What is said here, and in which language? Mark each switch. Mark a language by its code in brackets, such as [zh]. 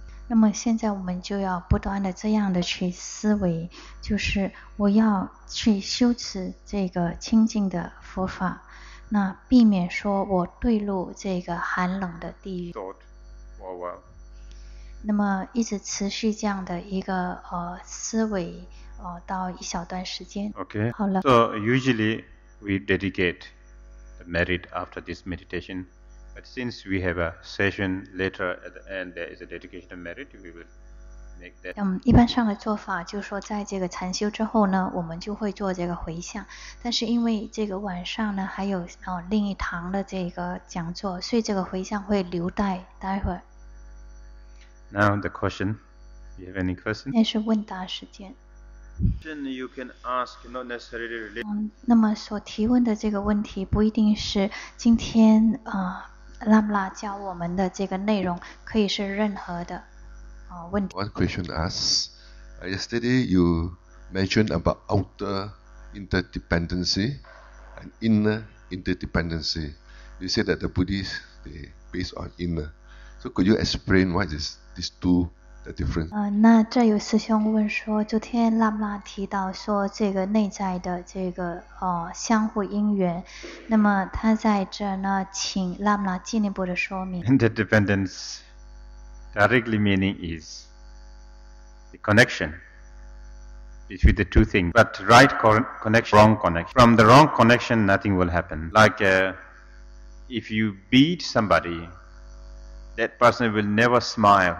[zh] 那么现在我们就要不断的这样的去思维，就是我要去修持这个清净的佛法，那避免说我堕入这个寒冷的地狱。 [en] Thought, well, well. [zh] 那么一直持续这样的一个思维到一小段时间。 [en] Okay. [zh] 好了。 [en] So usually we dedicate the merit after this meditation. But since we have a session later at the end, there is a dedication of merit, we will make that. [zh] 一般上的做法就是说在这个禅修之后呢，我们就会做这个回向。但是因为这个晚上呢，还有另一堂的这个讲座，所以这个回向会留待会儿。 [en] Now the question. You have any question? [zh] 那是问答时间。 [en] Then you can ask, not necessarily related. [zh] 那么所提问的这个问题不一定是今天拉姆拉教我们的这个内容，可以是任何的问题。 [en] One question asks, yesterday you mentioned about outer interdependency and inner interdependency. You said that the Buddhists, they based on inner. So could you explain why these two the difference? [zh] 那这有师兄问说，昨天拉姆拉提到说这个内在的这个相互因缘，那么他在这呢请拉姆拉进一步的说明。 [en] Interdependence directly meaning is the connection between the two things, but right connection, wrong connection. From the wrong connection, nothing will happen. Like if you beat somebody,That person will never smile.